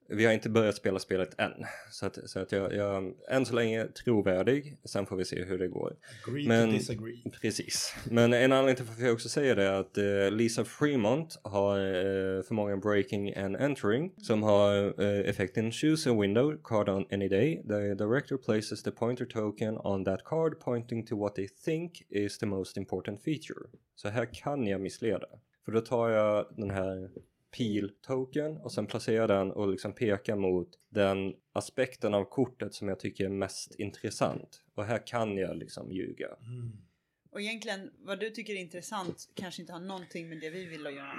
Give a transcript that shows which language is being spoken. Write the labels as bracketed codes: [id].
[sv] Vi har inte börjat spela spelet än. Så att jag än så länge trovärdig. Sen får vi se hur det går. [en] Agree men, to disagree. [sv] Precis. Men en anledning till att jag också säger det är att Lisa Fremont har förmågan Breaking and Entering. Som har effekten [en] Choose a window card on any day. The director places the pointer token on that card pointing to what they think is the most important feature. [sv] Så här kan jag missleda. För då tar jag den här... pil-token och sen placera den och liksom peka mot den aspekten av kortet som jag tycker är mest intressant. Och här kan jag liksom ljuga. Mm. Och egentligen, vad du tycker är intressant kanske inte har någonting med det vi vill att göra.